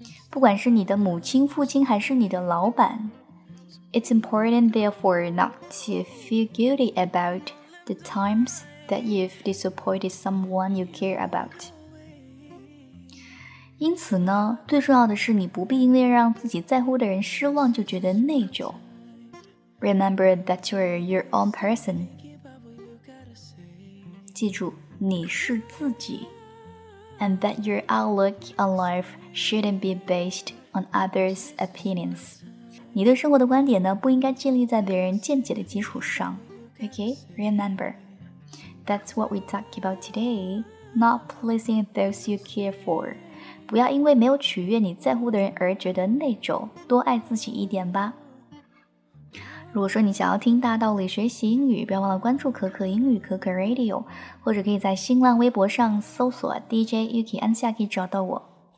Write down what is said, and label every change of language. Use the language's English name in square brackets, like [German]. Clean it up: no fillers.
[Chinese] 不管是你的母亲、父亲还是你的老板 [English] It's important therefore not to feel guilty about the times that you've disappointed someone you care about. [Chinese] 因此呢，最重要的是你不必因为让自己在乎的人失望就觉得内疚。 [English] Remember that you're your own person. [Chinese] 记住，你是自己。 [English] And that your outlook on life shouldn't be based on others' opinions. [Chinese] 你对生活的观点呢，不应该建立在别人见解的基础上。 [English] Okay, remember, that's what we talk about today. Not pleasing those you care for. [Chinese] 不要因为没有取悦你在乎的人而觉得内疚，多爱自己一点吧。如果说你想要听大道理学习英语，不要忘了关注可可英语可可 Radio， 或者可以在新浪微博上搜索 DJ Yuki 安夏，可以找到我。